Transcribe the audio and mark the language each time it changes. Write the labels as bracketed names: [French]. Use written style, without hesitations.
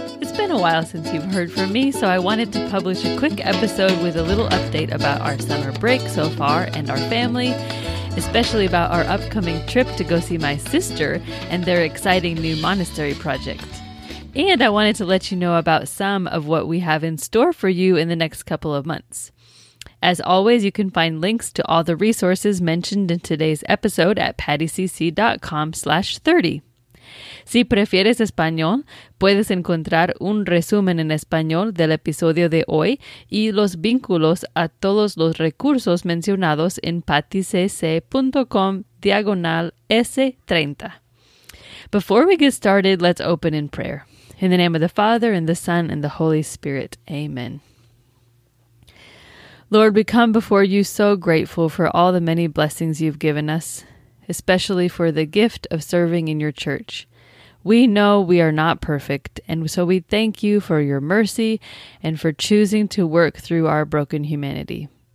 [English] It's been a while since you've heard from me, so I wanted to publish a quick episode with a little update about our summer break so far and our family, especially about our upcoming trip to go see my sister and their exciting new monastery project. And I wanted to let you know about some of what we have in store for you in the next couple of months. As always, you can find links to all the resources mentioned in today's episode at pattycc.com/30. [Spanish] Si prefieres español, puedes encontrar un resumen en español del episodio de hoy y los vínculos a todos los recursos mencionados en pattycc.com/S30. [English] Before we get started, let's open in prayer. In the name of the Father, and the Son, and the Holy Spirit. Amen. Lord, we come before you so grateful for all the many blessings you've given us, especially for the gift of serving in your church. We know we are not perfect, and so we thank you for your mercy and for choosing to work through our broken humanity.